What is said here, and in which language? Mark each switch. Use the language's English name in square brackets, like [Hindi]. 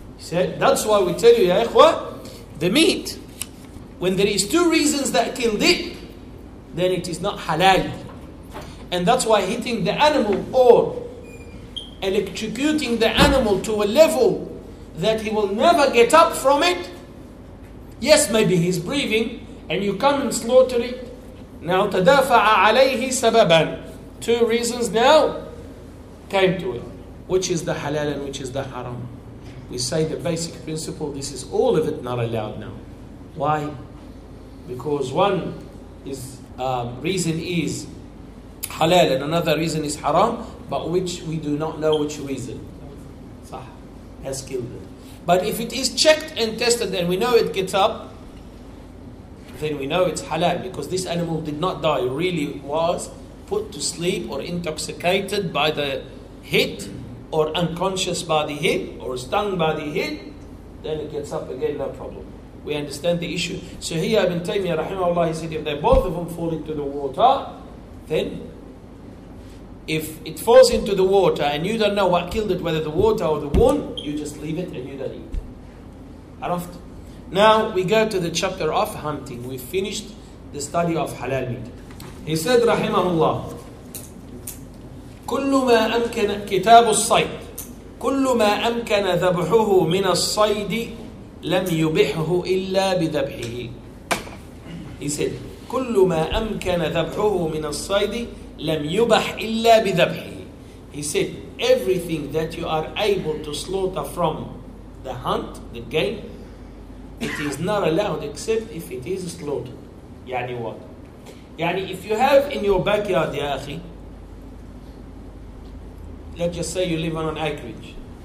[English] That's why we tell you, ya ikhwa, the meat, when there is two reasons that killed it, then it is not halal. And that's why hitting the animal or electrocuting the animal to a level that he will never get up from it, yes, maybe he's breathing, and you come and slaughter it. [Arabic] Now, تَدَافَعَ عَلَيْهِ سَبَبًا. [English] Two reasons now came to it. Which is the halal and which is the haram? We say the basic principle, this is all of it not allowed now. Why? Because one is reason is halal and another reason is haram, but which we do not know which reason has killed it. But if it is checked and tested and we know it gets up, then we know it's halal because this animal did not die. It really was put to sleep or intoxicated by the hit or unconscious by the hit or stung by the hit, then it gets up again, no problem. We understand the issue. So here Ibn Taymiyyah rahimahullah, he said, if they both of them fall into the water, then if it falls into the water and you don't know what killed it, whether the water or the wound, you just leave it and you don't eat. Araft? Now we go to the chapter of hunting. We finished the study of halal meat. He said, [Arabic] rahimahullah, كل ما أمكن كتاب الصيد كل ما أمكن ذبحه من الصيد لم يبحه إلا بذبحه. [English] He said, [Arabic] كل ما أمكن ذبحه من الصيد لم يبح إلا بذبحه. [English] He said, everything that you are able to slaughter from the hunt, the game, it is not allowed except if it is slaughtered. يعني what? يعني if you have in your backyard, [Arabic] يا أخي, [English] let's just say you live on an acreage.